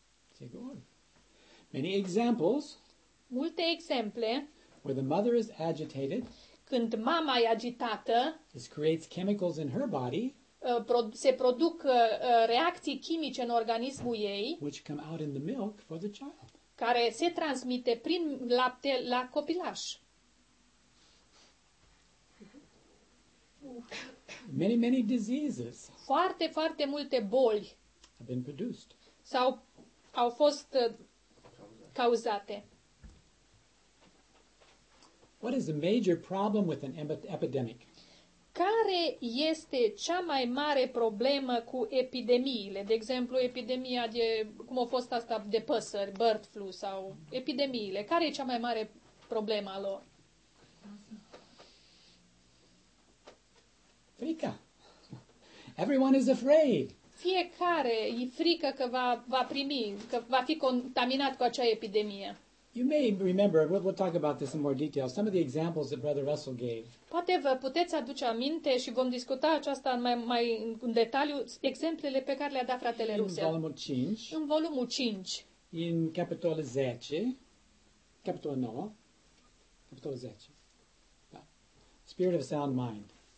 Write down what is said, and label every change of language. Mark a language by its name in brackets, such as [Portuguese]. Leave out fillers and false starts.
[Romanian] Sigur. [English] Many examples. [Romanian] Multe exemple. [English] Where the mother is agitated, [Romanian] când mama e agitată, [English] this creates chemicals in her body, [Romanian] se produc reacții chimice în organismul ei, [English] which come out in the milk for the child, [Romanian] care se transmite prin lapte la copilaș. [English] Many, many diseases, [Romanian] foarte, foarte multe boli, [English] have been produced, [Romanian] sau au fost cauzate. [English] What is the major problem with an epidemic? [Romanian] Care este cea mai mare problemă cu epidemiile? De exemplu, epidemia de cum a fost asta de păsări, [English] bird flu [Romanian] sau epidemiile. Care e cea mai mare problemă a lor? Frica. [English] Everyone is afraid. [Romanian] Fiecare e frică că va primi, că va fi contaminat cu acea epidemie. [English] You may remember, we'll talk about this in more detail, some of the examples that Brother Russell gave. [Romanian] Poate vă puteți aduce aminte și vom discuta aceasta mai în detaliu, exemplele pe care le-a dat fratele Russell. În volumul 5. În volumul 5. În capitolul 10. Capitolul 9. Capitolul 10. Da. [English] Spirit of Sound Mind.